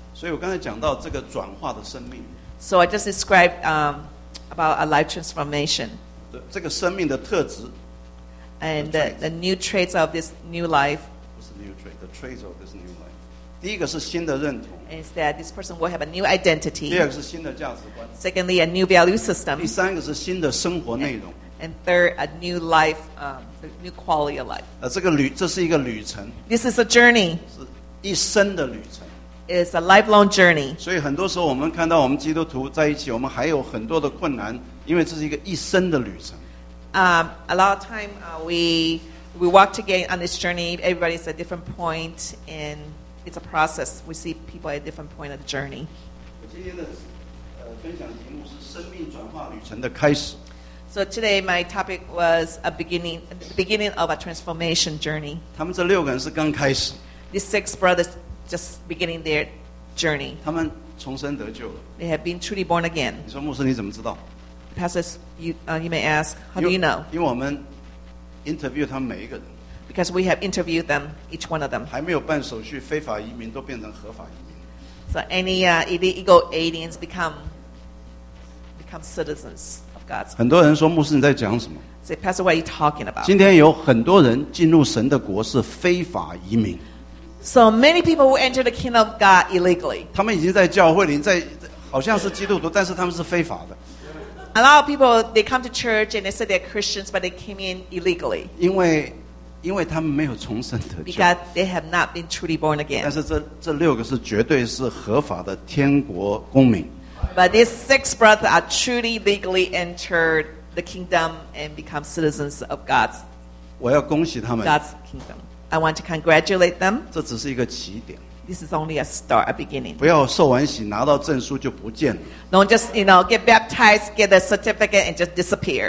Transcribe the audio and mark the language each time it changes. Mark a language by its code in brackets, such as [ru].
[zh] 所以我刚才讲到这个转化的生命。 [en] So I just described about a life transformation. [zh] 这个生命的特质。 [en] And the new traits of this new life. [zh] 不是 [en] new trait, the traits of this new life. [zh] 第一个是新的认同。 [en] Is that this person will have a new identity. [zh] 第二个是新的价值观。 [en] Secondly, a new value system. [zh] 第三个是新的生活内容。 [en] And third, a new life, a new quality of life. [zh] 这是一个旅程。 [en] This is a journey. [zh] 是一生的旅程。 [en] It's a lifelong journey. [zh] 所以很多时候我们看到我们基督徒在一起，我们还有很多的困难，因为这是一个一生的旅程。 [en] A lot of time, we walk together on this journey. Everybody's at a different point, and it's a process. We see people at a different point of the journey. [zh] 今天的分享题目是生命转化旅程的开始。 [en] So today my topic was the beginning of a transformation journey. [zh] 他们这六个人是刚开始。 [en] These six brothers just beginning their journey. [zh] 他们重生得救了。 [en] They have been truly born again. [zh] 你说牧师你怎么知道？ [en] Pastors, you may ask, how do you know? [zh] 因为我们 interview 他们每一个人。 [en] Because we have interviewed them, each one of them. [zh] 还没有办手续，非法移民都变成合法移民。 [en] So any illegal aliens become citizens. God's. [zh] 很多人说牧师你在讲什么 [en] Say, Pastor, what are you talking about? [zh] 今天有很多人进入神的国是非法移民 [en] So many people who enter the kingdom of God illegally [zh] 他们已经在教会里在好像是基督徒但是他们是非法的 [en] A lot of people they come to church and they say they're Christians but they came in illegally [zh] 因为他们没有重生得救 [en] Because they have not been truly born again [zh] 但是 这六个是绝对是合法的天国公民 [en] But these six brothers are truly legally entered the kingdom and become citizens of God's, [zh] 我要恭喜他们, [en] God's kingdom. I want to congratulate them. [zh] 这只是一个起点。 [en] This is only a start, a beginning. [zh] 不要受完洗拿到证书就不见了。 [en] Don't just, you know, get baptized, get a certificate, and just disappear.